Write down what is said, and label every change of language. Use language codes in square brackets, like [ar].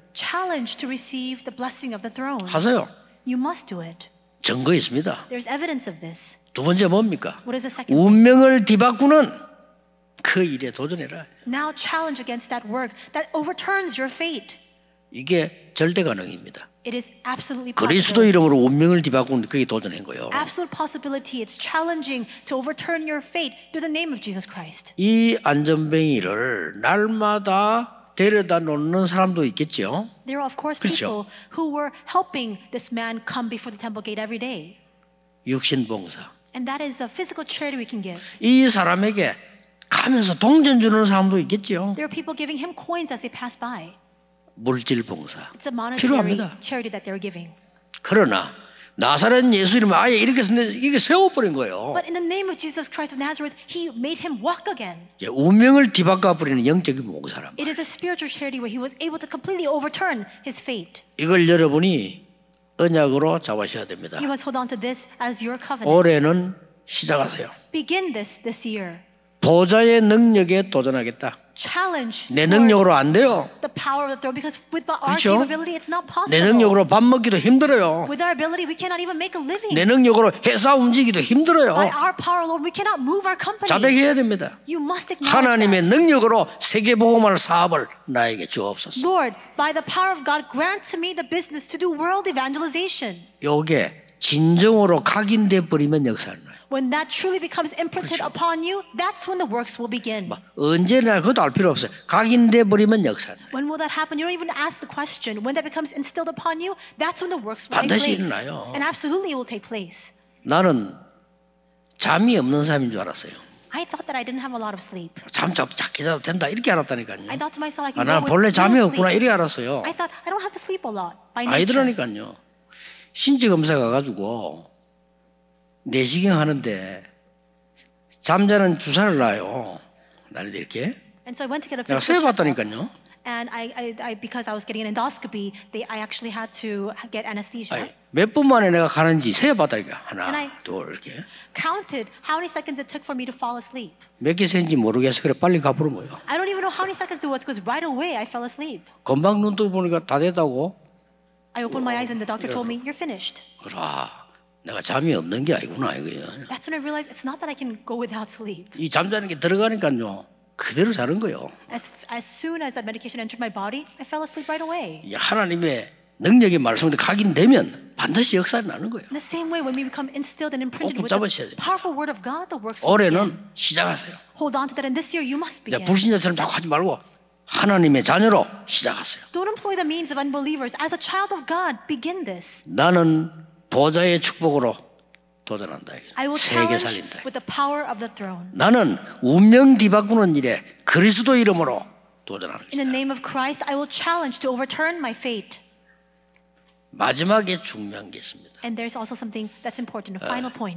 [en] Challenge to receive the blessing of the throne. [ko] 하세요. [en] You must do it. [ko] 증거 있습니다. [en] There's evidence of this. [ko] 두 번째 뭡니까? [en] What is the second? [ko] 운명을 뒤바꾸는 그 일에 도전해라. [en] Now challenge against that work that overturns your fate. [ko] 이게 절대 가능입니다. [en] It is absolutely possible. [ko] 그리스도 이름으로 운명을 뒤바꾸는 그게 도전한 거예요. [en] Absolute possibility. It's challenging to overturn your fate through the name of Jesus Christ. [ko] 이 안전뱅이를 날마다 데려다 놓는 사람도 있겠죠. [en] There are of course [ko] 그렇죠? [en] people who were helping this man come before the temple gate every day. [ko] 육신 봉사. [en] And that is a physical charity we can give. [ko] 이 사람에게 가면서 동전 주는 사람도 있겠죠. [en] There are people giving him coins as they pass by. [ko] 물질 봉사. [en] It's a monetary [ko] 필요합니다. [en] charity that they're giving. [ko] 그러나 나사렛 예수 이름 아예 이렇게 세워 버린 거예요. [en] But in the name of Jesus Christ of Nazareth, he made him walk again. [ko] 예, 운명을 뒤바꿔 버리는 영적인 봉사란 말이에요. [en] It is a spiritual charity where he was able to completely overturn his fate. [ko] 이걸 여러분이 언약으로 잡으셔야 됩니다. [en] You must hold on to this as your covenant. [ko] 올해는 시작하세요. [en] Begin this year. [ko] 보좌의 능력에 도전하겠다. [en] Challenge [ko] 내 능력으로 안 돼요. [en] The power of the throne, because with our [ko] 그렇죠? [en] capability, it's not possible. [ko] 내 능력으로 밥 먹기도 힘들어요. [en] With our ability, we cannot even make a living. [ko] 내 능력으로 회사 움직이기도 힘들어요. [en] By our power alone, we cannot move our company. [ko] 자백해야 됩니다. [en] You must acknowledge. [ko] 하나님의 [en] that. [ko] 능력으로 세계 복음화 사업을 나에게 주옵소서. [en] Lord, by the power of God, grant to me the business to do world evangelization. [ko] 이게 진정으로 각인돼 버리면 역사는. [en] When that truly becomes imprinted [ko] 그렇죠. [en] upon you, that's when the works will begin. [ko] 언제나 그것도 알 필요 없어요. 각인돼 버리면 역사. [en] When will that happen? You don't even ask the question. When that becomes instilled upon you, that's when the works will take place. [ko] 반드시 일어나요. [en] And absolutely it will take place. [ko] 나는 잠이 없는 사람인 줄 알았어요. [en] I thought that I didn't have a lot of sleep. [ko] 잠 작게 자도 된다 이렇게 알았다니까요. [en] I thought to myself, I can't. [ko] 나는 본래 잠이 없구나 이렇게 알았어요. [en] I thought I don't have to sleep a lot. [ko] 아이들하니까요. 신체 검사 가가지고. 내시경 하는데 잠자는 주사를 놔요. 나를 이렇게. [en] And so I went to get a [ko] 내가 세어봤다니까요. [en] And I because I was getting an endoscopy, I actually had to get anesthesia. [ko] 아니, 몇 분 만에 내가 가는지 세어봤다니까 하나, [en] and [ko] 둘 이렇게. [en] Counted how many seconds it took for me to fall asleep. [ko] 몇 개 세인지 모르겠어 그래 빨리 가보는 거예요. [en] I don't even know how many seconds it was because right away I fell asleep. [ko] 금방 눈 뜨고 보니까 다 됐다고. [en] I opened my eyes and the doctor told me you're finished. [ko] 그래. 내가 잠이 없는 게 아니구나 이거야. [en] That's when I realized it's not that I can go without sleep. [ko] 이 잠자는 게 들어가니까요, 그대로 자는 거요. [en] As soon as that medication entered my body, I fell asleep right away. [ko] 이 하나님의 능력의 말씀으로 각인되면 반드시 역사를 나는 거예요. [en] The same way when we become instilled and imprinted with the powerful word of God, the works. [ko] 올해는 시작하세요. [en] Hold on to that, and this year you must begin. [ko] 야, 불신자처럼 자꾸 하지 말고 하나님의 자녀로 시작하세요. [en] Don't employ the means of unbelievers. As a child of God, begin this. [ko] 나는 보좌의 축복으로 도전한다. 이제. 세계 살린다. [en] With the power of the throne. [ko] 나는 운명 뒤바꾸는 일에 그리스도 이름으로 도전하는 것이다. [en] In the name of Christ, I will challenge to overturn my fate. [ko] 마지막에 중요한 게 있습니다. [en] And there's also something that's important, a final point.